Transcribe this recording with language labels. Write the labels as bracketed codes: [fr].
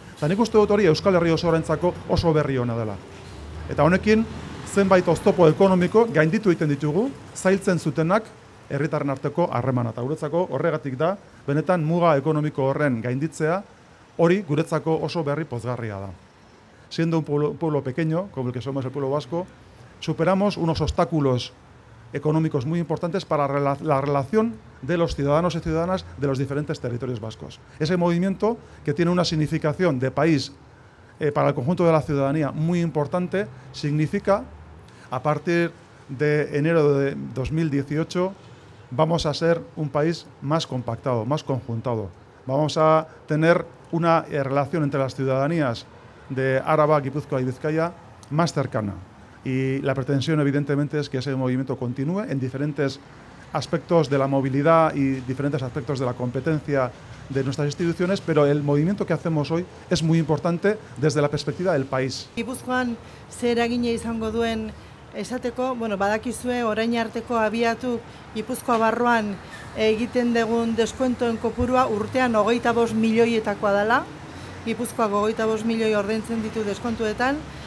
[eu] Eta nik uste dut hori Euskal Herri osorentzako oso berri ona dela. Eta honekin, zenbait oztopo ekonomiko gainditu egiten ditugu, zailtzen zutenak herritarren arteko harremana. Eta guretzako horregatik da, benetan muga ekonomiko horren gainditzea, hori guretzako oso berri pozgarria da. [es] Siendo un pueblo pequeño, como el que somos el pueblo vasco, superamos unos obstáculos económicos muy importantes para la relación de los ciudadanos y ciudadanas de los diferentes territorios vascos. Ese movimiento que tiene una significación de país para el conjunto de la ciudadanía muy importante, significa a partir de enero de 2018 vamos a ser un país más compactado, más conjuntado. Vamos a tener una relación entre las ciudadanías de Araba, Gipuzkoa y Bizkaia más cercana. Y la pretensión, evidentemente, es que ese movimiento continúe en diferentes aspectos de la movilidad y diferentes aspectos de la competencia de nuestras instituciones, pero el movimiento que hacemos hoy es muy importante desde la perspectiva del país. [eu] Gipuzkoan ze eragina izango duen esateko, bueno, badakizue orain arteko abiatu Gipuzkoa barruan egiten dugun deskuentoen kopurua urtean 25 milioietakoa dela. Gipuzkoak 25 milioi ordaintzen ditu deskontuetan.